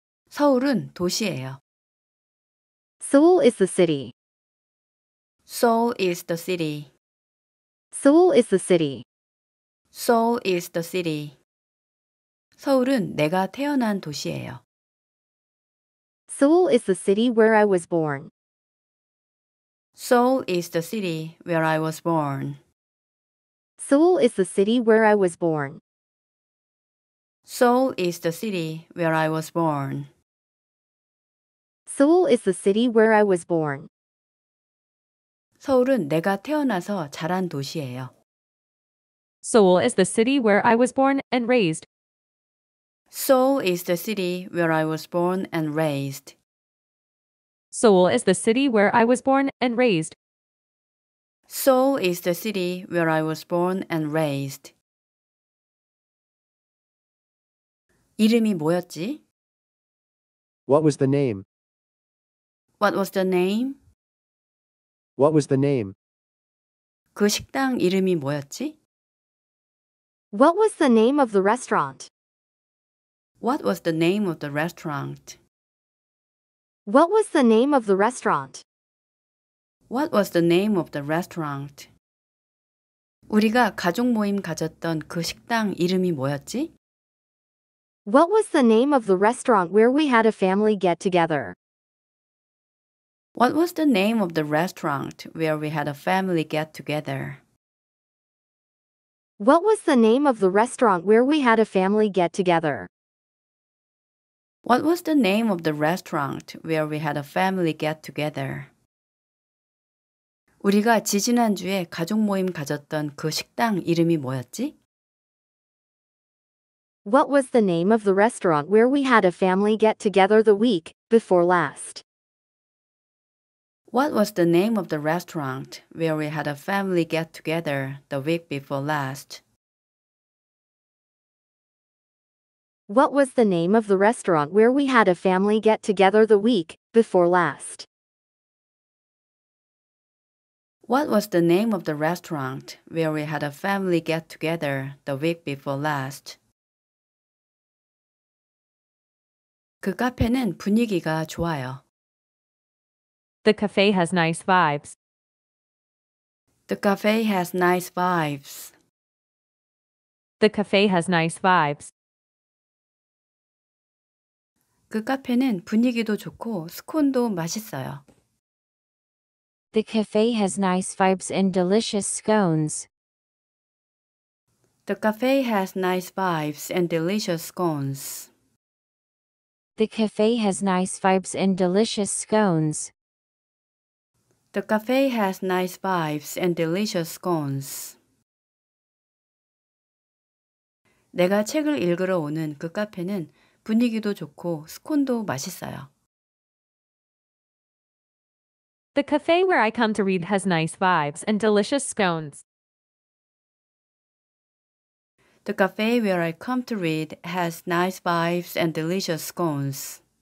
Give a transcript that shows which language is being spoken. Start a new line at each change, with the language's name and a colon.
Korean: 서울은 도시예요.
English: Seoul is the city. Seoul is the city. Seoul is the city. Seoul is the city.
Korean: 서울은 내가 태어난 도시예요.
English: Seoul is the city where I was born. Seoul is the city where I was born. Seoul is the city where I was born. Seoul is the city where I was born. Seoul is the city where I was born.
Korean: 서울은 내가 태어나서 자란 도시예요.
English: Seoul is the city where I was born and raised. Seoul is the city where I was born and raised. Seoul is the city where I was born and raised. Seoul is the city where I was born and raised.
Korean: 이름이 뭐였지?
English: What was the name? What was the name? What was the name?
Korean: 그 식당 이름이 뭐였지?
English: What was the name of the restaurant? What was the name of the restaurant? What was the name of the restaurant? What was the name of the restaurant?
Korean: 우리가 가족 모임 가졌던 그 식당 이름이 뭐였지?
English: What was the name of the restaurant where we had a family get together? What was the name of the restaurant where we had a family get together? What was the name of the restaurant where we had a family get together? What was the name of the restaurant where we had a family get together?
Korean: 우리가 지지난주에 가족 모임 가졌던 그 식당 이름이 뭐였지?
English: What was the name of the restaurant where we had a family get together the week before last? What was the name of the restaurant where we had a family get together the week before last? What was the name of the restaurant where we had a family get together the week before last? What was the name of the restaurant where we had a family get together the week before last?
Korean: 그 카페는 분위기가 좋아요.
English: The cafe has nice vibes. The cafe has nice vibes. The cafe has nice vibes.
Korean: 그 카페는 분위기도 좋고 스콘도 맛있어요.
English: The cafe has nice vibes and delicious scones. The cafe has nice vibes and delicious scones. The cafe has nice vibes and delicious scones. The cafe has nice vibes and delicious scones.
Korean: 내가 책을 읽으러 오는 그 카페는 분위기도 좋고 스콘도 맛있어요.
English: The cafe where I come to read has nice vibes and delicious scones. The cafe where I come to read has nice vibes and delicious scones.